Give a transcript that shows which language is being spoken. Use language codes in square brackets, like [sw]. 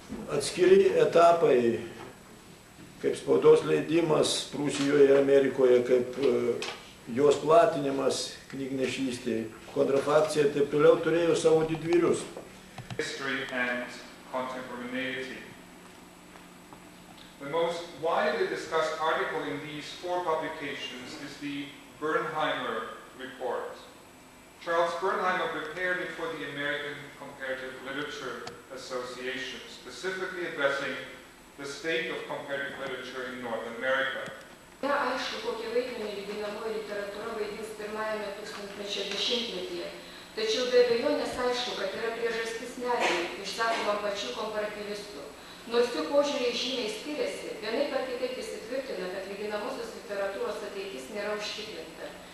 [lt] atskiri etapai, kaip spaudos leidimas Prūsijoje ir Amerikoje, kaip jos platinimas knygnešystėje, kontrafakcija taip toliau turėjo savo didvyrius. [en] History and contemporaneity. The most widely discussed article in these four publications is the Bernheimer Report. Charles Bernheimer prepared it for the American Comparative Literature Association, specifically addressing the state of comparative literature in North America. [lt] Na, aišku, kokį vaidmenį lyginamoji literatūra vaidins pirmajame tūkstantmečio dešimtmetyje. Tačiau be abejonės aišku, kad yra priežastis nerimui, išsakoma pačių komparatyvistų. Nors jų požiūriai žymiai skiriasi, vienai per kitaip įsitvirtina, kad lyginamosios literatūros ateitis nėra užtikrinta.